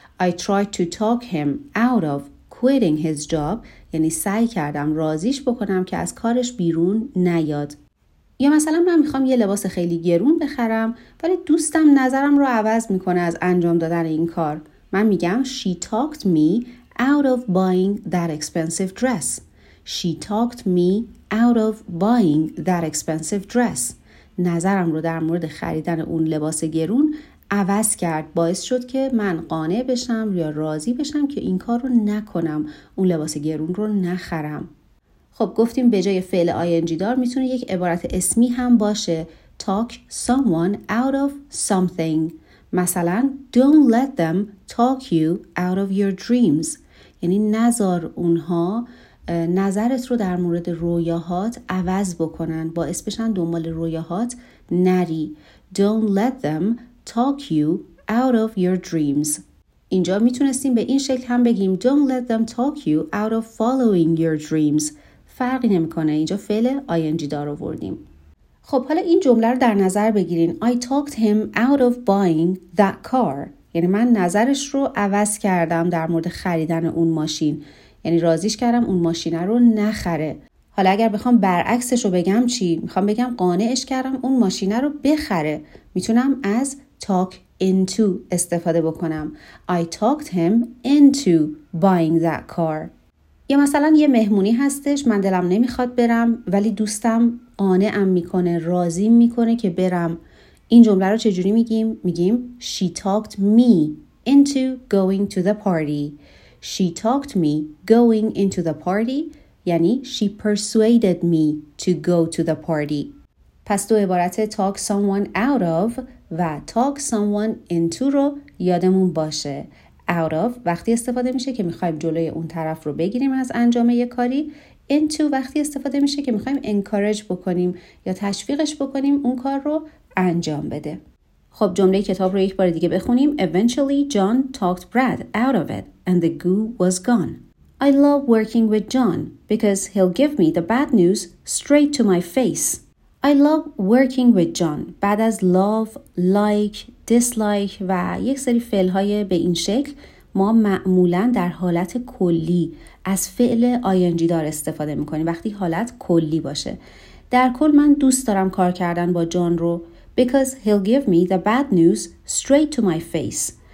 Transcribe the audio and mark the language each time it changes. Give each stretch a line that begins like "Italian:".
English: I tried to talk him out of quitting his job
Persian: یعنی سعی کردم راضیش بکنم که از کارش بیرون نیاد. یا مثلا من میخوام یه لباس خیلی گرون بخرم ولی دوستم نظرم رو عوض میکنه از انجام دادن این کار. من میگم
English: she talked me out of buying that expensive dress. She talked me out of buying that expensive dress.
Persian: نظرم رو در مورد خریدن اون لباس گرون عوض کرد، باعث شد که من قانع بشم یا راضی بشم که این کار رو نکنم، اون لباس گرون رو نخرم. خب گفتیم به جای فعل ing دار میتونه یک عبارت اسمی هم باشه.
English: talk someone out of something
Persian: مثلا
English: don't let them talk you out of your dreams
Persian: یعنی نذار اونها نظرت رو در مورد رویاهات عوض بکنن، باعث بشن دنبال رویاهات نری.
English: don't let them talk you out of your dreams.
Persian: اینجا میتونستیم به این شکل هم بگیم
English: don't let them talk you out of following your dreams.
Persian: فرقی نمیکنه، اینجا فعل ing دار آوردیم. خب حالا این جمله رو در نظر بگیرین.
English: I talked him out of buying that car.
Persian: یعنی من نظرش رو عوض کردم در مورد خریدن اون ماشین. یعنی راضیش کردم اون ماشینه رو نخره. حالا اگر بخوام برعکسش رو بگم چی؟ میخوام بگم قانعش کردم اون ماشینه رو بخره. میتونم از talk into استفاده بکنم.
English: I talked him into buying that car.
Persian: یا مثلا یه مهمونی هستش، من دلم نمیخواد برم ولی دوستم قانعم میکنه، راضی میکنه که برم. این جمله رو چجوری میگیم؟ میگیم
English: she talked me into going to the party. She talked me going into the party یعنی she persuaded me to go to the party.
Persian: پس دو عبارت talk someone out of و talk someone into رو یادمون باشه. out of وقتی استفاده میشه که میخوایم جلوی اون طرف رو بگیریم از انجام یک کاری، into وقتی استفاده میشه که میخوایم encourage بکنیم یا تشویقش بکنیم اون کار رو انجام بده. خب جمله کتاب رو یک بار دیگه بخونیم.
English: Eventually John talked Brad out of it and the goo was gone. I love working with John because he'll give me the bad news straight to my face. I love working with John.
Persian: بعد از love, like, dislike و یک سری فعل‌های به این شکل، ما معمولاً در حالت کلی از فعل ing دار استفاده می‌کنیم وقتی حالت کلی باشه. در کل من دوست دارم کار کردن با جان رو
English: because he'll give me the bad news straight to my face.